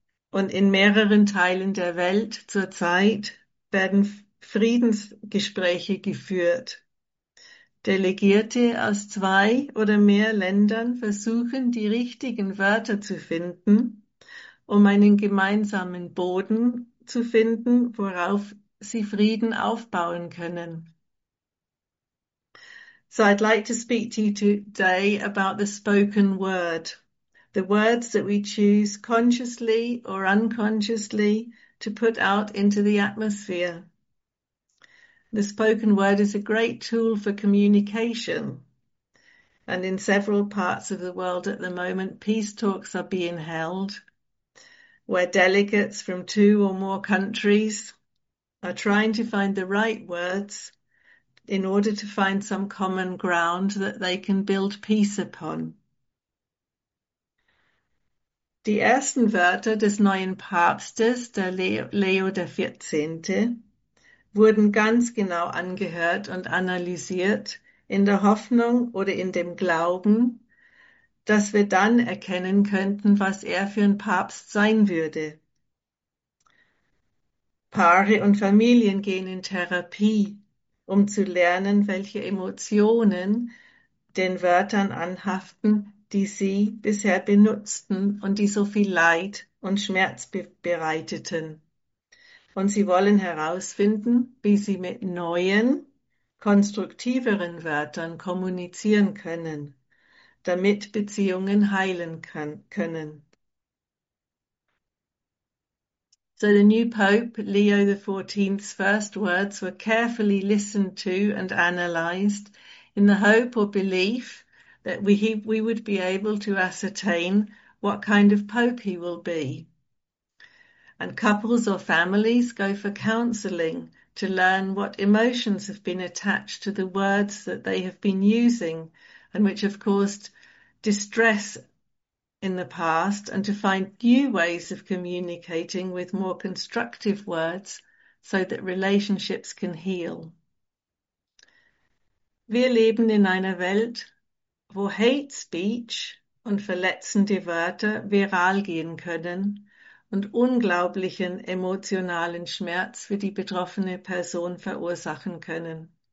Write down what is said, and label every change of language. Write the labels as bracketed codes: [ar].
[de] Und in mehreren Teilen der Welt zurzeit werden Friedensgespräche geführt. Delegierte aus zwei oder mehr Ländern versuchen, die richtigen Wörter zu finden, um einen gemeinsamen Boden zu finden, worauf sie Frieden aufbauen können. [en] So I'd like to speak to you today about the spoken word, the words that we choose consciously or unconsciously to put out into the atmosphere. The spoken word is a great tool for communication. And in several parts of the world at the moment, peace talks are being held where delegates from two or more countries are trying to find the right words in order to find some common ground that they can build peace upon. [de] Die ersten Wörter des neuen Papstes, der Leo der Vierzehnte, wurden ganz genau angehört und analysiert, in der Hoffnung oder in dem Glauben, dass wir dann erkennen könnten, was er für ein Papst sein würde. Paare und Familien gehen in Therapie, um zu lernen, welche Emotionen den Wörtern anhaften, die sie bisher benutzten und die so viel Leid und Schmerz be bereiteten. Und sie wollen herausfinden, wie sie mit neuen, konstruktiveren Wörtern kommunizieren können, damit Beziehungen heilen können. [en] So the new Pope Leo XIV's first words were carefully listened to and analyzed in the hope or belief that we would be able to ascertain what kind of Pope he will be. And couples or families go for counseling to learn what emotions have been attached to the words that they have been using and which have caused distress in the past, and to find new ways of communicating with more constructive words so that relationships can heal. [de] Wir leben in einer Welt, wo Hate Speech und verletzende Wörter viral gehen können und unglaublichen emotionalen Schmerz für die betroffene Person verursachen können.